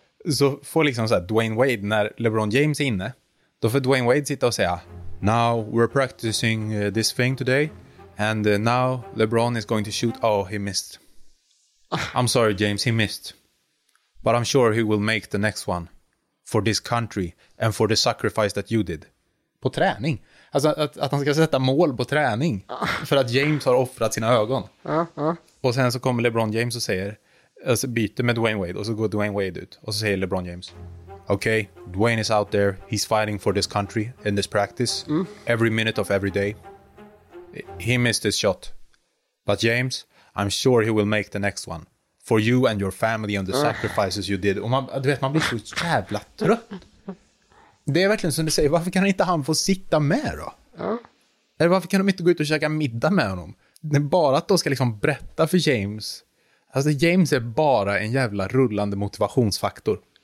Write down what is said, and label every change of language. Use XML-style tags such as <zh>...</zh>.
<sv>Så får liksom så här Dwayne Wade, när LeBron James är inne, då får Dwayne Wade sitta och säga,</sv> <en>now we're practicing this thing today, and now LeBron is going to shoot. Oh, he missed. I'm sorry James, he missed. But I'm sure he will make the next one. for this country and for the sacrifice that you did.</en> <sv>På träning. Alltså att han ska sätta mål på träning för att James har offrat sina ögon. Och sen så kommer LeBron James</sv> <en>och säger, alltså byter med Dwayne Wade, och så går Dwayne Wade ut och så säger LeBron James, okay, Dwayne is out there, he's fighting for this country in this practice, every minute of every day. He missed his shot. But James, I'm sure he will make the next one. For you and your family and the sacrifices you did.</en> <sv>Och man, du vet, man blir så jävla trött. Det är verkligen som du säger, varför kan inte han få sitta med då? Eller varför kan de inte gå ut och käka middag med honom? Det är bara att de ska liksom berätta för James. Alltså James är bara en jävla rullande motivationsfaktor.</sv>